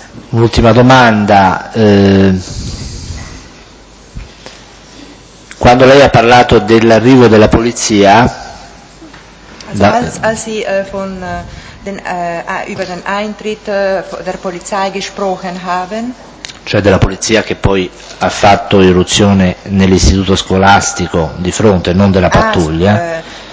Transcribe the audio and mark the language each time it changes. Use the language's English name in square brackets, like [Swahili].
[Italian] Un'ultima domanda. Quando lei ha parlato dell'arrivo della polizia... [German] über den Eintritt der Polizei gesprochen haben... [Italian] cioè della polizia che poi ha fatto irruzione nell'istituto scolastico di fronte, non della pattuglia.